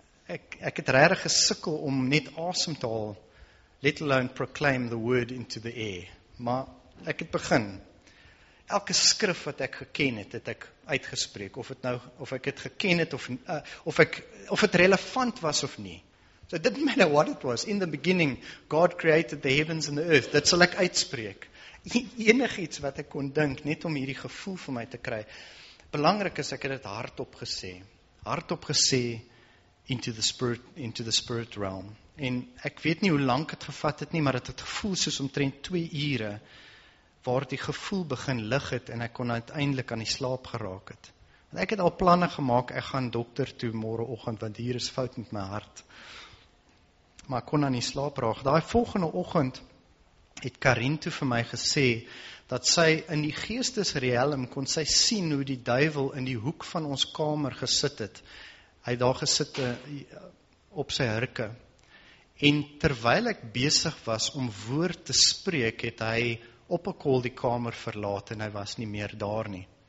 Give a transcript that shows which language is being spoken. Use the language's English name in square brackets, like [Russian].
[Afrikaans] Ek het regtig gesukkel om net asem te haal, [English] let alone proclaim the word into the air. [Afrikaans] Maar, ek het begin, elke skrif wat ek geken het, het ek uitgespreek, of het nou, of ek het geken het, of het relevant was of nie. [English] So it didn't matter what it was. In the beginning, God created the heavens and the earth. [Afrikaans] Dit sal ek uitspreek. Enig iets wat ek kon dink, net om hierdie gevoel vir my te kry. Belangrik is, ek het het hardop gesê. Hardop gesê, [English] into the spirit realm. [Afrikaans] En ek weet nie hoe lank het gevat het nie, maar het gevoel soos omtrent 2 ure, waar die gevoel begin lig het, en ek kon uiteindelik aan die slaap geraak het. Want ek het al planne gemaakt, ek gaan dokter toe morgenoggend, want hier is fout met my hart. Maar ek kon aan die slaap raak. Daai volgende oggend het Karin toe vir my gesê, dat sy in die geestesreelm kon sy sien, hoe die duivel in die hoek van ons kamer gesit het. Hy daar gesit op sy hurke. En terwyl ek besig was om woord te spreek, het hy op een kool die kamer verlaat, en hy was nie meer daar nie.